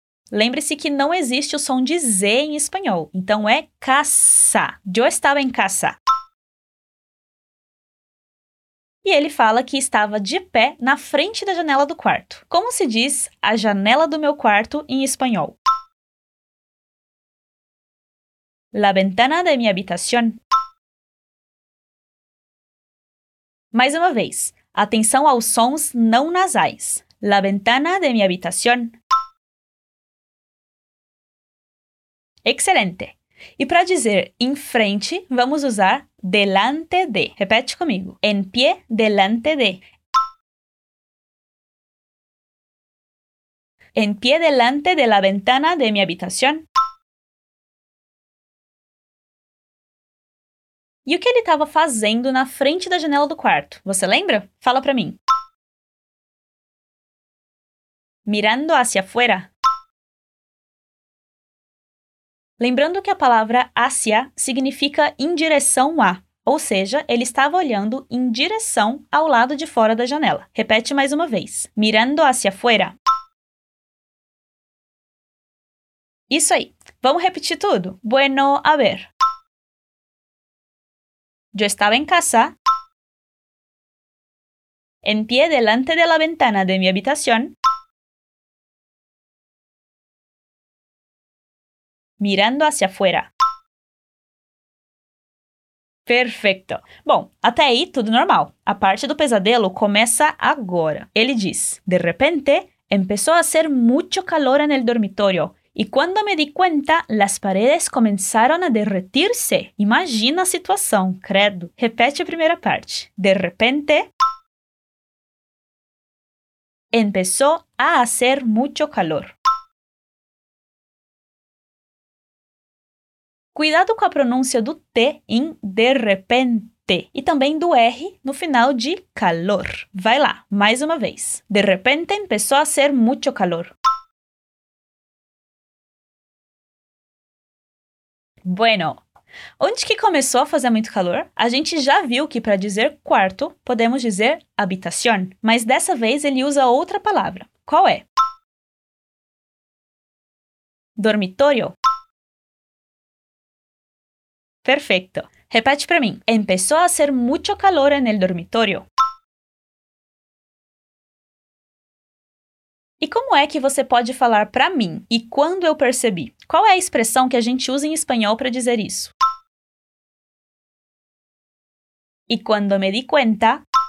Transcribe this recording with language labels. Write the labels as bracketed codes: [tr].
[pt] Lembre-se que não existe o som de Z em espanhol. Então, é casa. [es] Yo estaba en casa. [pt] E ele fala que estava de pé na frente da janela do quarto. Como se diz a janela do meu quarto em espanhol? [es] La ventana de mi habitación. [pt] Mais uma vez. Atenção aos sons não nasais. [es] La ventana de mi habitación. [pt] Excelente! E para dizer em frente, vamos usar delante de. Repete comigo. [es] En pie delante de. En pie delante de la ventana de mi habitación. [pt] E o que ele estava fazendo na frente da janela do quarto? Você lembra? Fala para mim. [es] Mirando hacia afuera. [pt] Lembrando que a palavra hacia significa em direção a, ou seja, ele estava olhando em direção ao lado de fora da janela. Repete mais uma vez. [es] Mirando hacia fuera. [pt] Isso aí. Vamos repetir tudo? [es] Bueno, a ver. Yo estaba en casa. En pie delante de la ventana de mi habitación. Mirando hacia afuera. [pt] Perfeito! Bom, até aí tudo normal. A parte do pesadelo começa agora. Ele diz, [es] de repente, empezó a hacer mucho calor en el dormitorio. E quando me di cuenta, las paredes comenzaron a derretirse. [pt] Imagina a situação, credo. Repete a primeira parte. [es] De repente, empezó a hacer mucho calor. [pt] Cuidado com a pronúncia do T em de repente e também do R no final de calor. Vai lá, mais uma vez. [es] De repente empezó a hacer mucho calor. [pt] Bueno, onde que começou a fazer muito calor? A gente já viu que para dizer quarto, podemos dizer habitación, mas dessa vez ele usa outra palavra. Qual é? [es] Dormitorio. [pt] Perfeito. Repete para mim. [es] Empezó a hacer mucho calor en el dormitorio. [pt] E como é que você pode falar para mim e quando eu percebi? Qual é a expressão que a gente usa em espanhol para dizer isso? [es] E quando me di cuenta.